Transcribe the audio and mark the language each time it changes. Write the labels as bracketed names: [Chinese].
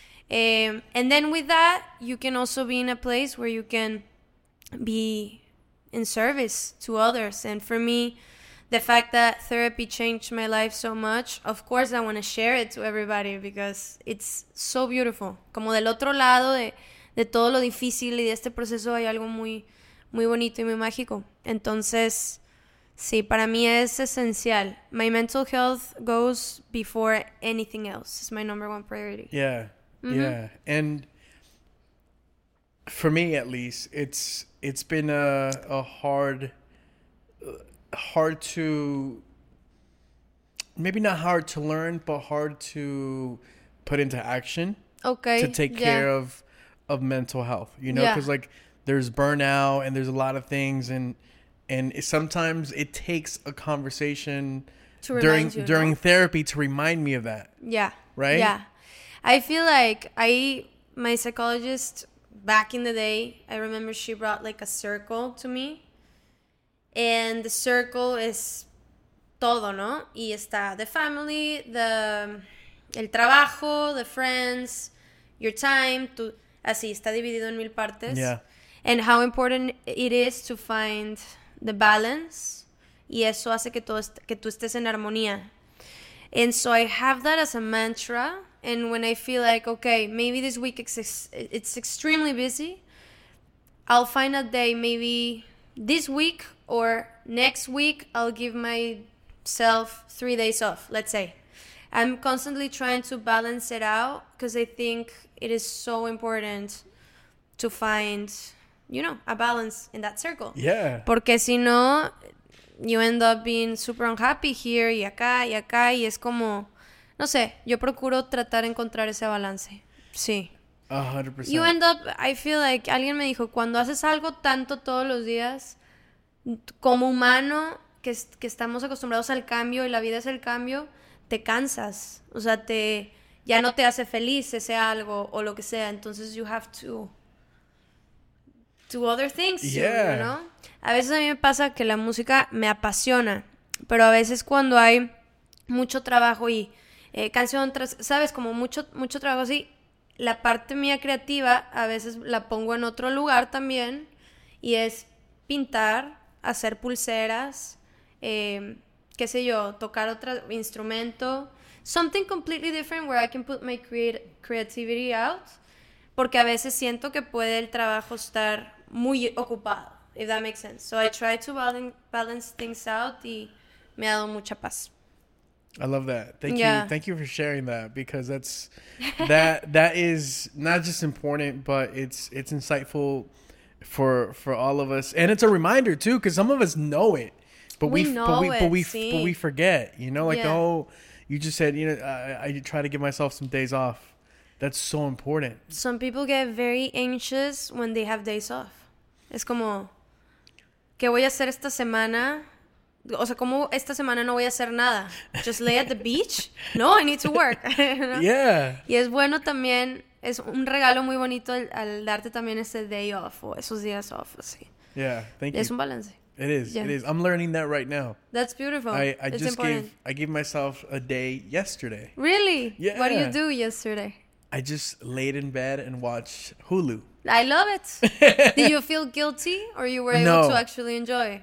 [English] And then with that, you can also be in a place where you can be in service to others. And for me, the fact that therapy changed my life so much, of course I want to share it to everybody because it's so beautiful. [Spanish] Como del otro lado de todo lo difícil y de este proceso hay algo muy, muy bonito y muy mágico. Entonces, sí, para mí es esencial. [English] My mental health goes before anything else. It's my number one priority. Yeah. Mm-hmm. Yeah, and for me at least, it's been a hard to, maybe not hard to learn, but hard to put into action. Okay. To take care of mental health, you know, because like there's burnout and there's a lot of things, and sometimes it takes a conversation during therapy to remind me of that. Yeah. Right. Yeah. I feel like my psychologist back in the day, I remember she brought like a circle to me. And the circle is [Spanish] todo, ¿no? Y está [English] the family, [Spanish] el trabajo, [English] the friends, your time. [Spanish] Así, está dividido en mil partes. [English] Yeah. And how important it is to find the balance. [Spanish] Y eso hace que tú estés en armonía. [English] And so I have that as a mantra. And when I feel like, okay, maybe this week it's extremely busy, I'll find a day maybe this week or next week, I'll give myself 3 days off, let's say. I'm constantly trying to balance it out because I think it is so important to find, you know, a balance in that circle. Yeah. [Spanish] Porque si no, [English] you end up being super unhappy here [Spanish] y acá, y es como... No sé, yo procuro tratar de encontrar ese balance. Sí. [English] 100%. You end up, I feel like, [Spanish] alguien me dijo, cuando haces algo tanto todos los días, como humano, que estamos acostumbrados al cambio y la vida es el cambio, te cansas. O sea, ya no te hace feliz ese algo o lo que sea. Entonces, [English] you have to do other things, you know? [Spanish] A veces a mí me pasa que la música me apasiona, pero a veces cuando hay mucho trabajo y canción tras, sabes, como mucho trabajo así. La parte mía creativa a veces la pongo en otro lugar también, y es pintar, hacer pulseras, qué sé yo, tocar otro instrumento, [English] something completely different where I can put my creativity out, [Spanish] porque a veces siento que puede el trabajo estar muy ocupado, [English] if that makes sense. So I try to balance things out, [Spanish] y me ha dado mucha paz. [English] I love that. Thank you for sharing that, because that is not just important, but it's insightful for all of us, and it's a reminder too, because some of us know it, but we forget, you know, like, yeah. The whole, you just said, you know, I try to give myself some days off. That's so important. Some people get very anxious when they have days off. [Spanish] Es como, ¿qué voy a hacer esta semana? O sea, ¿cómo esta semana no voy a hacer nada? [English] Just lay at the beach? No, I need to work. ¿No? Yeah. [Spanish] Y es bueno también, es un regalo muy bonito al darte también ese day off o esos días off, así. [English] Yeah, thank you. [Spanish] Es un balance. [English] It is, yeah. It is. I'm learning that right now. That's beautiful. I just gave myself a day yesterday. Really? Yeah. What do you do yesterday? I just laid in bed and watched Hulu. I love it. Did you feel guilty, or you were able to actually enjoy?